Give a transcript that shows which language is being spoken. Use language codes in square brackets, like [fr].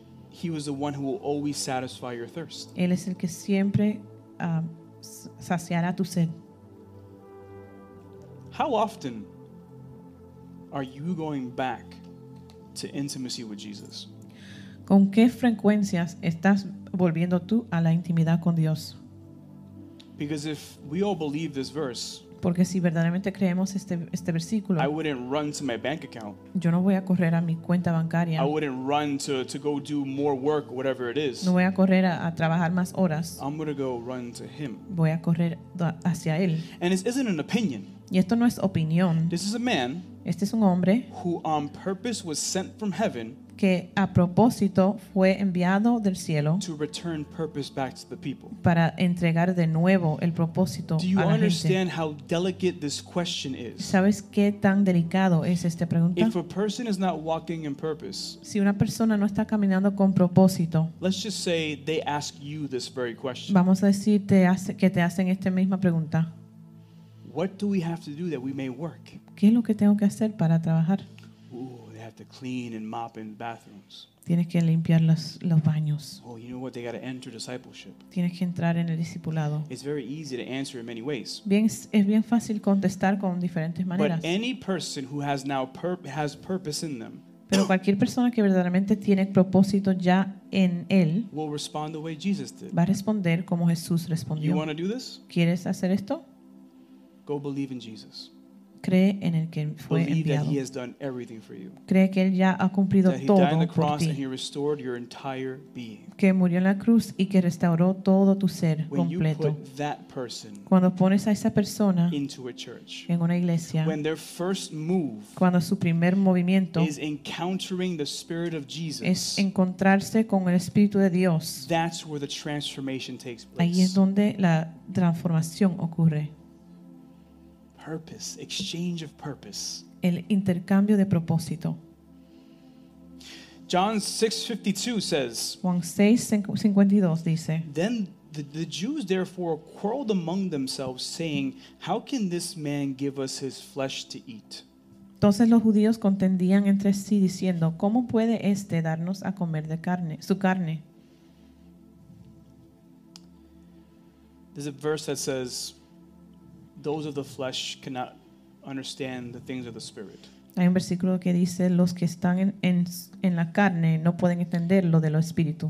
[en] He was the one who will always satisfy your thirst. [es] Él es el que siempre saciará tu sed. [en] How often are you going back to intimacy with Jesus? [es] ¿Con qué frecuencias estás volviendo tú a la intimidad con Dios? [en] Because if we all believe this verse, [es] porque si verdaderamente creemos este versículo, [en] I wouldn't run to my bank account. [es] Yo no voy a correr a mi cuenta bancaria. [en] I wouldn't run to go do more work, whatever it is. [es] No voy a correr a trabajar más horas. [en] I'm gonna go run to him. [es] Voy a correr hacia él. [en] And this isn't an opinion. [es] Y esto no es opinión. [en] This is a man. [es] Este es un hombre [en] who on purpose was sent from heaven. [es] Que a propósito fue enviado del cielo [en] to return purpose back to the people. [es] Para entregar de nuevo el propósito a la gente. [en] Do you understand how delicate this question is? [es] ¿Sabes qué tan delicado es esta pregunta? [en] If a person is not walking in purpose, [es] si una persona no está caminando con propósito, [en] let's just say they ask you this very question. [es] Vamos a decir que te hacen esta misma pregunta. [en] What do we have to do that we may work? [es] ¿Qué es lo que tengo que hacer para trabajar? [en] To clean and mop in bathrooms. [es] Tienes que limpiar los baños. [en] Oh, you know what? They got to enter discipleship. [es] Tienes que entrar en el discipulado. [en] It's very easy to answer in many ways. [es] Bien, es bien fácil contestar con diferentes maneras. [en] But any person who has purpose in them. [es] Pero cualquier persona que verdaderamente tiene propósito ya en él. [en] Will respond the way Jesus did. [es] Va a responder como Jesús respondió. [en] You want to do this? [es] ¿Quieres hacer esto? [en] Go believe in Jesus. [es] Cree en el que fue [en] Believe [es] enviado. [en] That he has done everything for you. [es] Cree que él ya ha cumplido [en] that he [es] todo [en] died on the cross and he restored your entire being. [es] Que murió en la cruz y que restauró todo tu ser [en] when [es] completo. [en] You put that person [es] cuando pones a esa persona [en] into a church, [es] en una iglesia, [en] when their first move [es] cuando su primer movimiento [en] is encountering the Spirit of Jesus, [es] es encontrarse con el Espíritu de Dios, [en] that's where the transformation takes place. [es] Ahí es donde la transformación ocurre. [en] Purpose, exchange of purpose. [es] El intercambio de propósito. [en] John 6:52 says. [es] Juan 6:52 dice. [en] Then the Jews therefore quarreled among themselves, saying, "How can this man give us his flesh to eat?" [es] Entonces los judíos contendían entre sí diciendo, ¿cómo puede este darnos a comer de carne, su carne? [en] There's a verse that says. Those of the flesh cannot understand the things of the spirit. [es] Hay un versículo que dice los que están en la carne no pueden entender lo de lo espíritu.